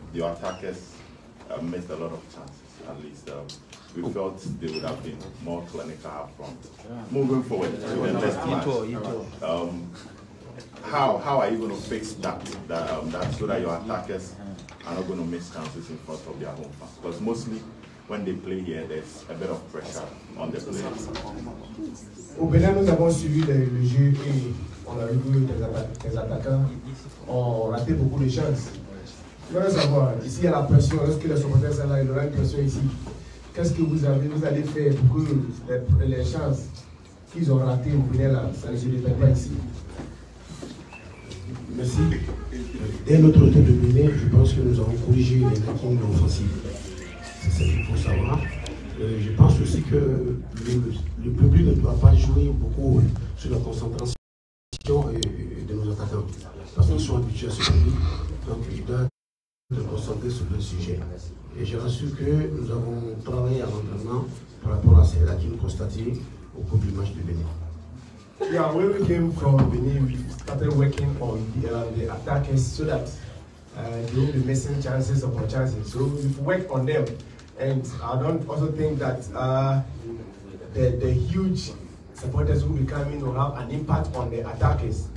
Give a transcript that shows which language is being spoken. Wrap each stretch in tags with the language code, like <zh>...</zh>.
<en>Your attackers missed a lot of chances. At least we felt they would have been more clinical up front. Yeah. Moving forward to the next match, how are you going to fix that so that your attackers are not going to miss chances in front of their home fans? Because mostly, when they play here, there's a bit of pressure on the players.</en> <fr>Au Bénin, nous avons suivi le jeu et on a vu des attaquants ont raté beaucoup de chances. Je voudrais savoir, ici, il y a la pression. Lorsque les supporters sont là, il y aura une pression ici. Qu'est-ce que vous allez faire pour que les chances qu'ils ont ratées au Bénin, là, ça ne se fait pas ici? Merci. Dès notre retour de Bénin, je pense que nous avons corrigé les lacunes offensives. C'est ce qu'il faut savoir. Je pense aussi que le public ne doit pas jouer beaucoup sur la concentration de nos attaquants. Parce qu'ils sont habitués à ce public. Donc, ils doivent se concentrer sur le sujet. Et je rassure que nous avons travaillé à l'entraînement par rapport à ces lacunes constatées au cours du match de Bénin.</fr> <en>Yeah, when we came from Benin, we started working on the attackers so that they will be missing chances upon chances. So we've worked on them. And I don't also think that the huge supporters who will be coming will have an impact on the attackers.</en>